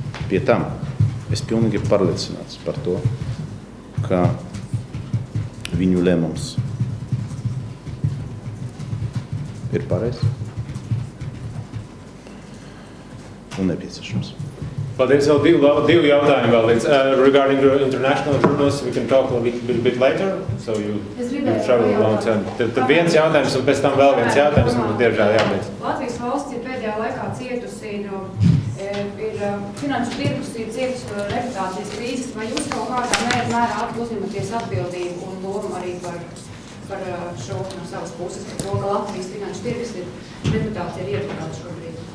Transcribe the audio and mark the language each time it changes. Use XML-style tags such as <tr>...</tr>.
<lv>Pie tam es pilnīgi pārliecināts par to, ka viņu lēmums ir pareizs un nepieciešams.</lv> <en>But there's still two</en> <lv>jautājumi vēl.</lv> <en>It's regarding the international journalists, we can talk a little bit later, so you travel long time.</en> <lv>Tad viens jautājums, un pēc tam vēl viens jautājums, un diežāli jābūt. Latvijas valsts ir pēdējā laikā cietusi, ir finanšu tirgus ir cietusi reputācijas krīzes. Vai jūs kaut kādā mērā uzņemties atbildību un domu arī par šo no savas puses, par to, ka Latvijas finanšu tirgus ir reputācija ir ietekmēta šobrīd?</lv>